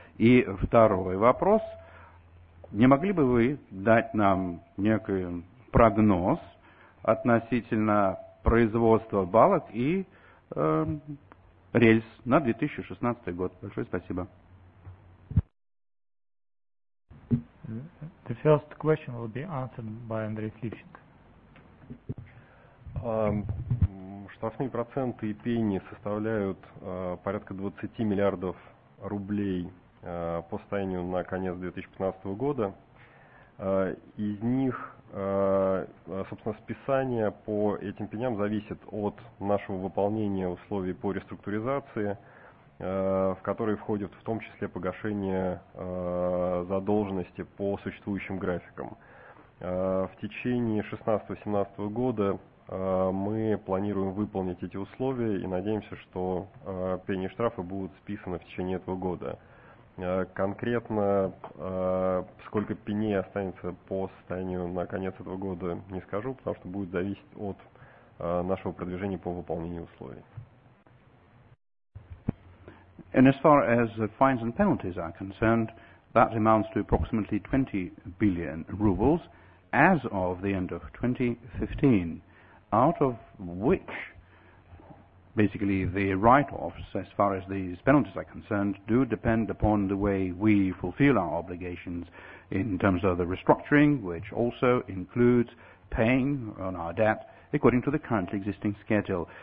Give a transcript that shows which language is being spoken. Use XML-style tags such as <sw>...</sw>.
<ru>И второй вопрос. Не могли бы вы дать нам некий прогноз относительно производства балок и рельс на 2016 год? Большое спасибо.</ru> <en>The first question will be answered by Andrey Klivchenko.</en> <ru>Штрафные проценты и пени составляют порядка 20 миллиардов рублей по состоянию на конец 2015 года. Из них, собственно, списание по этим пеням зависит от нашего выполнения условий по реструктуризации, в которые входит в том числе погашение задолженности по существующим графикам. В течение 2016-2017 года мы планируем выполнить эти условия и надеемся, что пени и штрафы будут списаны в течение этого года. Конкретно сколько пеней останется по состоянию на конец этого года, не скажу, потому что будет зависеть от нашего продвижения по выполнению условий.</ru> <en>And as far as the fines and penalties are concerned, that amounts to approximately 20 billion rubles as of the end of 2015. Out of which, basically, the write-offs, as far as these penalties are concerned, do depend upon the way we fulfill our obligations in terms of the restructuring, which also includes paying on our debt according to the currently existing schedule.</en>